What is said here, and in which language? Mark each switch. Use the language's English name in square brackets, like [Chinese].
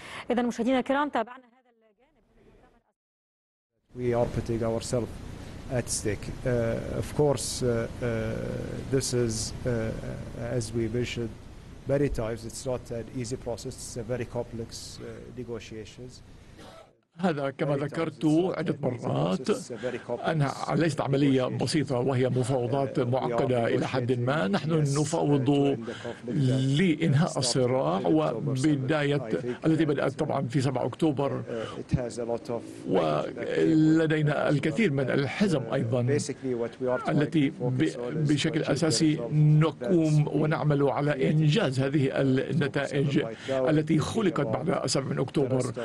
[Arabic] إذا مشاهدينا الكرام تابعنا هذا الجانب. [English] We are putting ourselves at stake. Of course, this is as we mentioned many times. It's not an easy process. It's a very complex negotiations. [Arabic] هذا كما ذكرت عدة مرات أنها ليست عملية بسيطة، وهي مفاوضات معقدة إلى حد ما. نحن نفاوض لإنهاء الصراع وبداية التي بدأت طبعا في 7 أكتوبر، ولدينا الكثير من الحزم أيضا التي بشكل أساسي نقوم ونعمل على إنجاز هذه النتائج التي خلقت بعد 7 أكتوبر.